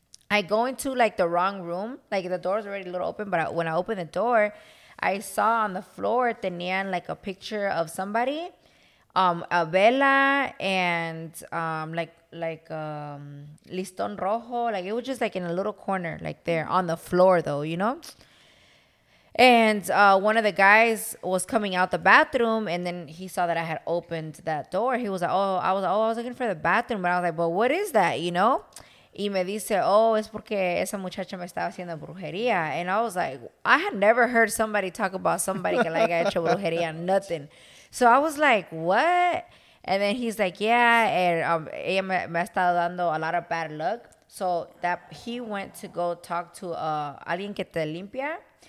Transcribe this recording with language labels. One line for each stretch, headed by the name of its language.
English: I go into like the wrong room. Like, the door's already a little open, but when I opened the door, I saw on the floor, tenían like a picture of somebody, a vela and like
Spanish: listón rojo.
English: Like, it was just like in a little corner, like there on the floor though, you know? And one of the guys was coming out the bathroom, and then he saw that I had opened that door. He was like, I was looking for the bathroom. But I was like, but what is that, you know?
Spanish: Y me dice, oh, es porque esa muchacha me estaba haciendo brujería.
English: And I was like, I had never heard somebody talk about somebody que like
Spanish: hecho brujería,
English: nothing. So I was like, what? And then he's like, yeah, and
Spanish: ella me ha estado dando
English: a lot of bad luck. So that he went to go talk to
Spanish: alguien que te limpia.